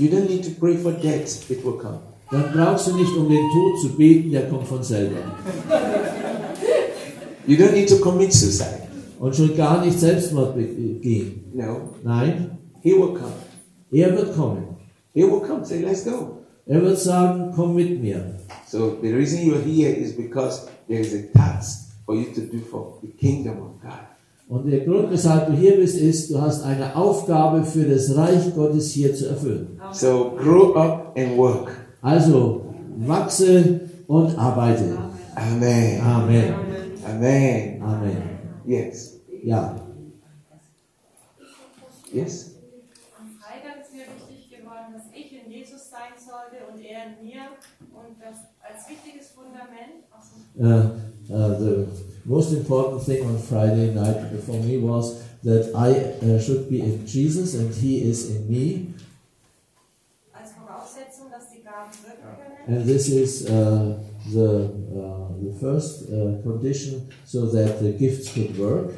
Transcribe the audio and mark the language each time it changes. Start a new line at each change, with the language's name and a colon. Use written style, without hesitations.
English: you don't need to pray for death, it will come.
German: Dann brauchst du nicht, um den Tod zu beten, der kommt von selber.
English: You don't need to commit suicide.
German: Und schon gar nicht Selbstmord begehen.
English: No.
German: Nein.
English: He will come.
German: Er wird kommen.
English: He will come. Say, let's go.
German: Er wird sagen, komm mit mir.
English: So the reason you're here is because there is a task for you to do for the kingdom of God.
German: Und der Grund, weshalb du hier bist, ist, du hast eine Aufgabe für das Reich Gottes hier zu erfüllen.
English: So grow up and work.
German: Also wachse und arbeite.
English: Amen. Amen. Amen. Amen. Yes.
German: Ja.
English: Yes.
German: Am Freitag ist mir wichtig geworden, dass ich in Jesus sein sollte und er in mir und das als wichtiges Fundament.
English: The most important thing on Friday night for me was that I should be in Jesus and he is in me.
German: Als Voraussetzung, dass die Gaben wirken können.
English: And this is the first condition so that the gifts could work.